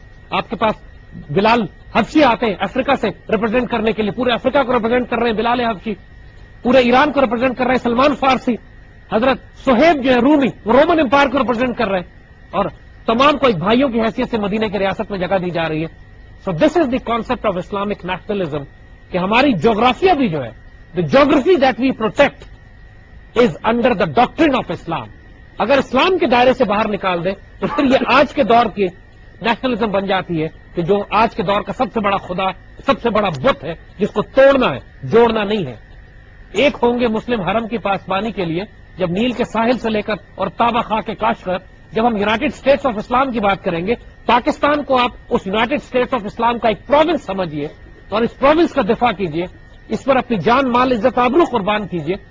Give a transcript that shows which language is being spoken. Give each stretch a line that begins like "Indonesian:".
Urdu: آپ کے پاس بلال حبشی آتے ہیں افریقہ سے ریپرزینٹ کرنے کے لیے, پورے افریقہ کو ریپرزینٹ کر رہے ہیں بلال حبشی, پورے ایران کو ریپرزینٹ کر رہے ہیں سلمان فارسی, حضرت صہیب جو ہے رومی, وہ رومن امپائر کو ریپرزینٹ کر رہے ہیں, اور تمام کو ایک بھائیوں کی حیثیت سے مدینہ کی ریاست میں جگہ دی جا رہی ہے.
English: so this is the concept of Islamic nationalism,
Urdu: کہ ہماری جغرافیہ بھی جو ہے,
English: The جغرافی that we protect is under the doctrine of Islam.
Urdu: اگر اسلام کے دائرے سے باہر نکال دیں تو پھر یہ آج کے دور کی نیشنلزم بن جاتی ہے, کہ جو آج کے دور کا سب سے بڑا خدا, سب سے بڑا بت ہے, جس کو توڑنا ہے, جوڑنا نہیں ہے. ایک ہوں گے مسلم حرم کی پاسبانی کے لیے, جب نیل کے ساحل سے لے کر اور تابہ خاں کے کاشغر, جب ہم یونائٹڈ اسٹیٹس آف اسلام کی بات کریں گے, پاکستان کو آپ اس یونائٹڈ اسٹیٹس آف اسلام کا ایک پروونس سمجھیے اور اس پروونس کا دفاع کیجیے, اس پر اپنی جان, مال, عزت, آبرو قربان کیجیے.